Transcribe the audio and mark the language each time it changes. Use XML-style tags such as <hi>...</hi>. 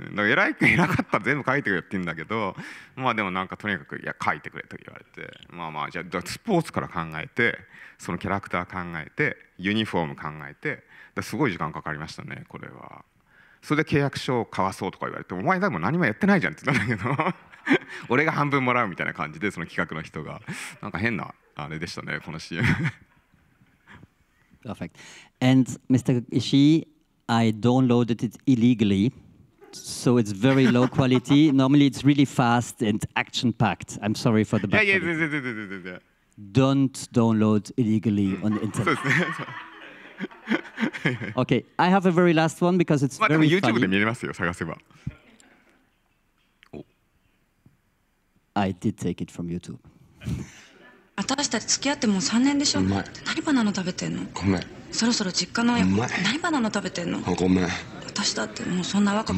<ja>だから偉かったら全部書いてくれって言うんだけど、まあでもなんかとにかくいや書いてくれと言われて、まあまあじゃあスポーツから考えて、そのキャラクター考えて、ユニフォーム考えて、だすごい時間かかりましたねこれは。それで契約書を交わそうとか言われて、お前でも何もやってないじゃんって言ったんだけど俺が半分もらうみたいな感じで、その企画の人がなんか変なあれでしたねこの CM。</ja> <en>Perfect. And Mr. Ishii, I downloaded it illegally, so it's very low quality. Normally it's really fast and action-packed. I'm sorry for the bad quality. Yeah. Don't download illegally on the internet. Okay, I have a very last one because it's very YouTube funny.</en> <ja>でも見れますよ、探せば。</ja> <en>I did take it from YouTube.</en> <ja>私たち付き合ってもう3年でしょ。うまい。何バナナ食べてんの。ごめん。そろそろ実家の親。うまい。何バナナ食べてんの。あ、ごめん。私だってもうそんな若く。</ja>